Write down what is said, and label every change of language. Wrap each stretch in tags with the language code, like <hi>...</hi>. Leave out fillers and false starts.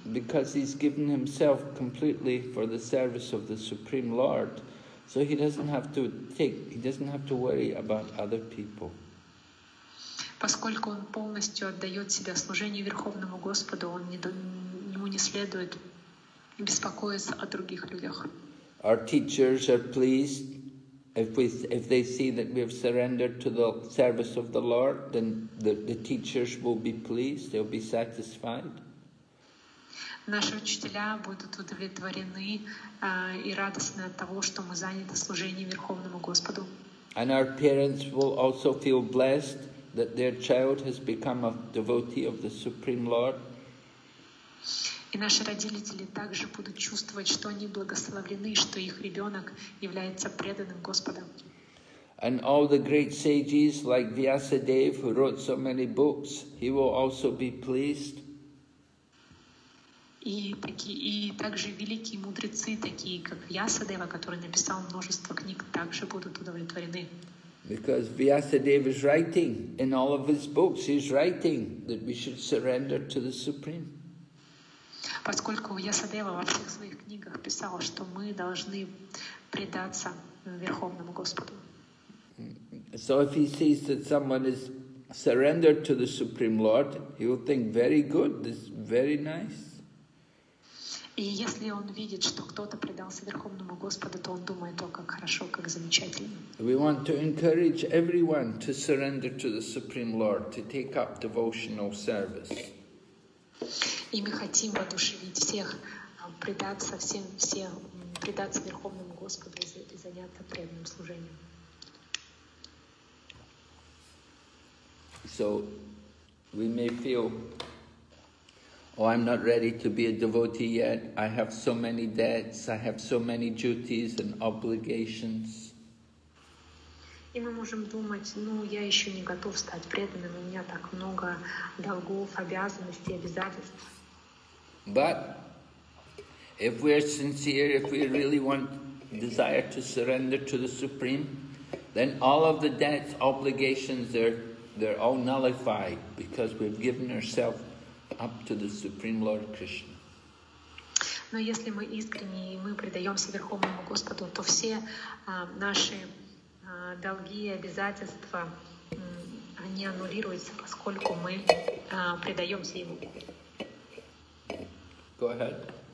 <en>Because he's given himself completely for the service of the Supreme Lord. So he doesn't have to worry about other people.</en> <ru>Поскольку он полностью отдает себя служению Верховному Господу, он ему не следует беспокоиться о других людях.</ru> <en>Our teachers are pleased if they see that we have surrendered to the service of the Lord, then the teachers will be pleased, they'll be satisfied.</en> <ru>Наши учителя будут удовлетворены и радостны от того, что мы заняты служением Верховному Господу.</ru> <en>And our parents will also feel blessed that their child has become a devotee of the Supreme Lord.</en> <ru>И наши родители также будут чувствовать, что они благословлены, что их ребенок является преданным Господу.</ru> <en>And all the great sages like Vyasadeva, who wrote so many books, he will also be pleased.</en> <ru>И также великие мудрецы, такие как Вьясадева, который написал множество книг, также будут удовлетворены.</ru> <en>Because Vyasadeva is writing in all of his books, he's writing that we should surrender to the Supreme.</en> <ru>Поскольку Вьясадева во всех своих книгах писал, что мы должны предаться Верховному Господу.</ru> <en>So if he sees that someone is surrendered to the Supreme Lord, he will think very good, this is very nice.</en> <ru>И если он видит, что кто-то предался Верховному Господу, то он думает, о, как хорошо, как замечательно.</ru> <en>We want to encourage everyone to surrender to the Supreme Lord, to take up devotional service.</en> <ru>И мы хотим воодушевить всех, предаться Верховному Господу и заняться преданным служением.</ru> <en>So, we may feel... Oh, I'm not ready to be a devotee yet. I have so many debts, I have so many duties and obligations.</en> <ru>И мы можем думать, ну, я еще не готов стать преданным, у меня так много долгов, обязанностей, обязательств.</ru> <en>But if we are sincere, if we really want desire to surrender to the Supreme, then all of the debts, obligations, they're all nullified because we've given ourselves up to the Supreme Lord Krishna.</en> <ru>Но если мы искренне и мы предаемся Верховному Господу, то все наши долги и обязательства они аннулируются, поскольку мы предаемся Ему.</ru> <en>Go ahead.</en>